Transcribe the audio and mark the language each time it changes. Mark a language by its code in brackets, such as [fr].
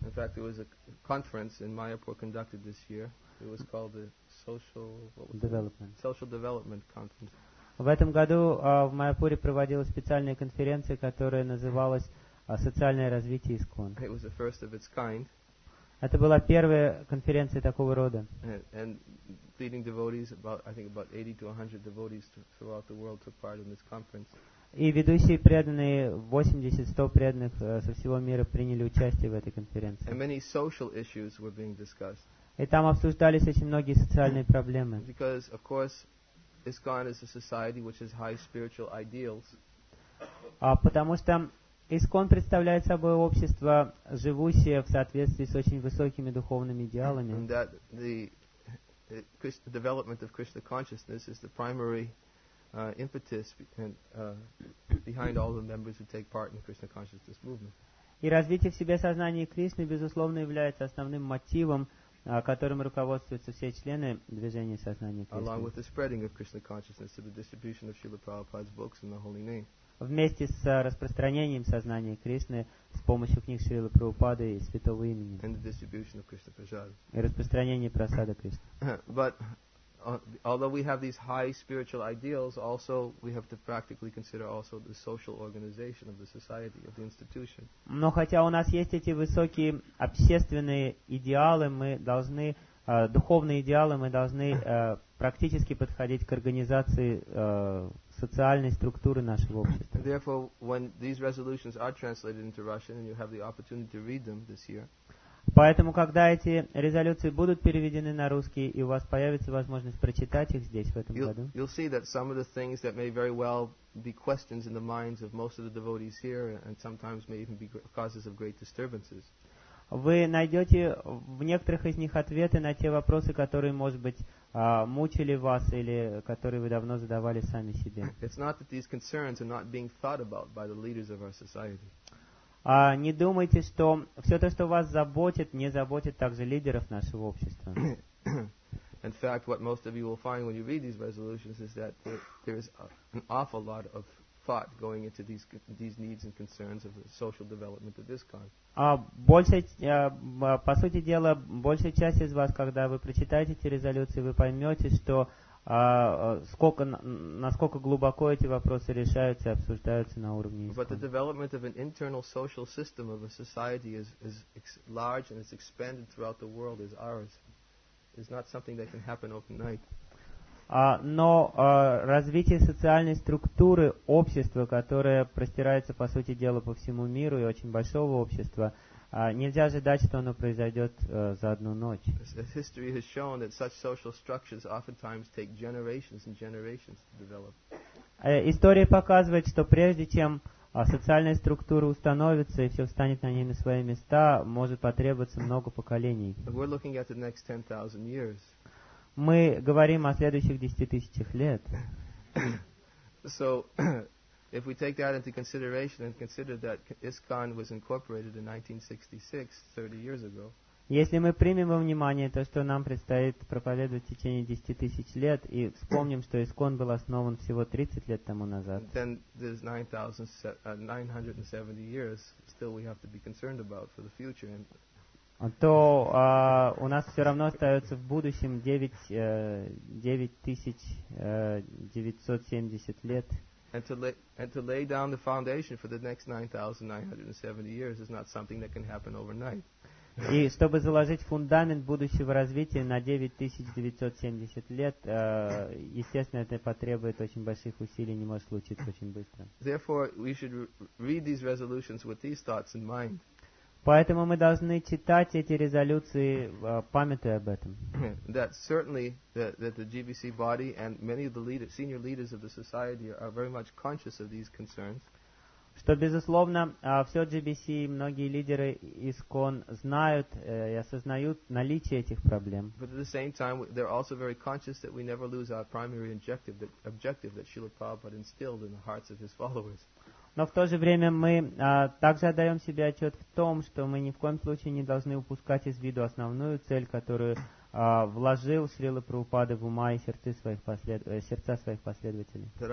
[en] In fact, there was a conference in Mayapur conducted this year. It was called the Social Development Conference. [ru] В этом году в Майяпуре проводилась специальная конференция, которая называлась «Социальное развитие ИСККОН». [en] It was the first of its kind. [ru] Это была первая конференция такого рода. [en] And leading devotees, about 80 to 100 devotees throughout the world took part in this conference. [ru] И ведущие преданные, 80-100 преданных со всего мира приняли участие в этой конференции. [en] And many social issues were being discussed. [ru] И там обсуждались очень многие социальные проблемы. [en] Because, of course, ISKCON is a society which has high spiritual ideals. [ru] Потому что ИСККОН представляет собой общество, живущее в соответствии с очень высокими духовными идеалами. [en] And that the development of Krishna consciousness is the primary impetus and behind all the members who take part in Krishna consciousness movement. [ru] И развитие в себе сознания Кришны безусловно является основным мотивом, которым руководствуются все члены движения сознания Кришны. [en] Along with the spreading of Krishna consciousness to the distribution of Srila Prabhupada's books and the holy name. [ru] Вместе с распространением сознания Кришны с помощью книг Шрилы Прабхупады и Святого Имени. [en] And the distribution of Krishna prasad. [ru] И распространение прасада Кришны. [en] But although we have these high spiritual ideals, also we have to practically consider also the social organization of the society, of the institution. [ru] Но хотя у нас есть эти высокие общественные идеалы, мы должны духовные идеалы, мы должны практически подходить к организации социальной структуры нашего общества. [en] Therefore, when these resolutions are translated into Russian and you have the opportunity to read them this year. [ru] Поэтому, когда эти резолюции будут переведены на русский, и у вас появится возможность прочитать их здесь, в этом году, [en] you'll see that some of the things that may very well be questions in the minds of most of the devotees here, and sometimes may even be causes of great disturbances. [ru] Вы найдете в некоторых из них ответы на те вопросы, которые, может быть, мучили вас, или которые вы давно задавали сами себе. [en] It's not that these concerns are not being thought about by the leaders of our society. [ru] Не думайте, что все то, что вас заботит, не заботит также лидеров нашего общества. [en] In fact, what most of you will find when you read these resolutions is that there is an awful lot of thought going into these needs and concerns of the social development of this kind. [ru] По сути дела, большая часть из вас, когда вы прочитаете эти резолюции, вы поймете, что насколько глубоко эти вопросы решаются и обсуждаются на уровне [en] But the development of an internal social system of a society is large and is expanded throughout the world is ours. It's not something that can happen overnight. [ru] Но развитие социальной структуры общества, которое простирается, по сути дела, по всему миру и очень большого общества, нельзя ожидать, что оно произойдет за одну ночь. [en] History has shown that such social structures oftentimes take generations and generations to develop. [ru] История показывает, что прежде чем социальная структура установится и все встанет на ней на свои места, может потребоваться много поколений. [en] We're looking at the next 10,000 years. [ru] Мы говорим о следующих 10 тысячах лет. [en] So, if we take that into consideration and consider that ISKCON was incorporated in 1966, 30 years ago. [ru] Если мы примем во внимание то, что нам предстоит проповедовать в течение 10 тысяч лет, и вспомним, что ИСККОН был основан всего 30 лет тому назад, [en] then there's 970 years still we have to be concerned about for the future. [ru] То у нас все равно остается в будущем 9970 лет. [en] And to lay down the foundation for the next 9,970 years is not something that can happen overnight. [ru] И чтобы заложить фундамент будущего развития на 9970 лет, естественно, это потребует очень больших усилий, не может случиться очень быстро. [en] Therefore, we should read these resolutions with these thoughts in mind. [ru] Поэтому мы должны читать эти резолюции, памятуя об этом. [en] That certainly that the GBC body and many of the leaders, senior leaders of the society are very much conscious of these concerns. [ru] Что безусловно, все GBC и многие лидеры ИСККОН знают и осознают наличие этих проблем. [en] But at the same time, they're also very conscious that we never lose our primary objective that Srila Prabhupada instilled in the hearts of his followers. [ru] Но в то же время мы также отдаем себе отчет в том, что мы ни в коем случае не должны упускать из виду основную цель, которую вложил Шрила Прабхупада в ума и сердца своих последователей.